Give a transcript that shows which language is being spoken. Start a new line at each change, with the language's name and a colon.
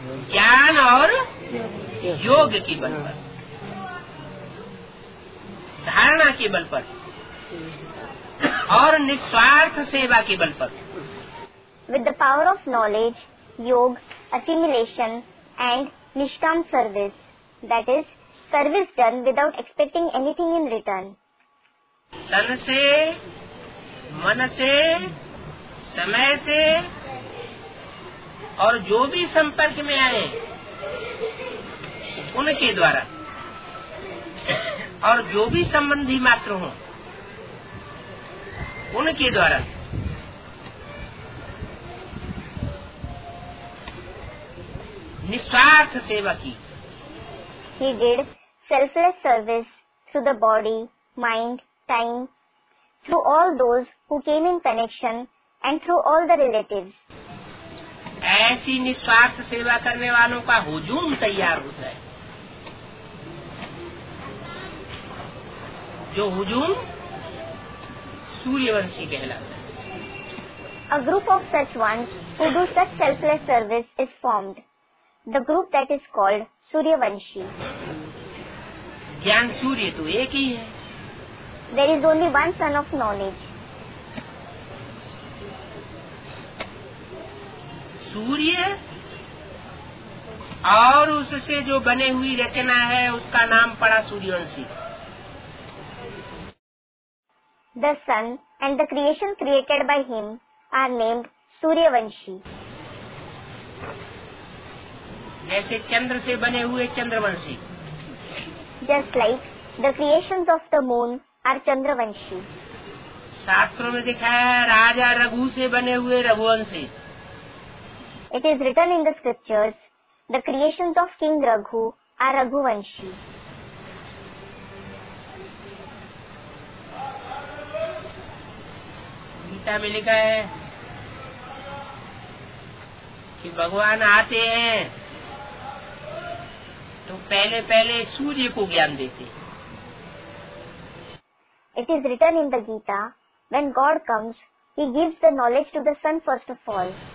Hindi: ज्ञान और योग के बल पर, धारणा के बल पर और निस्वार्थ सेवा के बल पर.
English: With the power of knowledge, yog, assimilation and nishkam service, that is, service done without expecting anything in return.
Hindi: तन से, मन से, समय से और जो भी संपर्क में आए उनके द्वारा और जो भी संबंधी मात्र हो उनके द्वारा निस्वार्थ सेवा की.
English: He did selfless service through the body, mind, time, through all those who came in connection and through all the relatives.
Hindi: ऐसी निस्वार्थ सेवा करने वालों का हुजूम तैयार होता है. जो हुजूम सूर्यवंशी कहलाता
English: है. A group of such ones who do such selfless service is formed. The group that is called Suryavanshi.
Hindi: ज्ञान सूर्य तो एक ही है.
English: There is only one son of knowledge.
Hindi: सूर्य और उससे जो बने हुई रचना है उसका नाम पड़ा Suryavanshi.
English: The sun and the creation created by him are named Suryavanshi.
Hindi: जैसे चंद्र से बने हुए Chandravanshi.
English: Just like the creations of the moon are Chandravanshi.
Hindi: शास्त्रों में दिखाया है राजा रघु से बने हुए Raghuvanshi.
English: It is written in the scriptures, the creations of King Raghu are Raghuvanshi.
Hindi: Gita में लिखा है कि भगवान आते हैं तो पहले पहले सूर्य को ज्ञान देते.
English: It is written in the Gita, when God comes, he gives the knowledge to the sun first of all.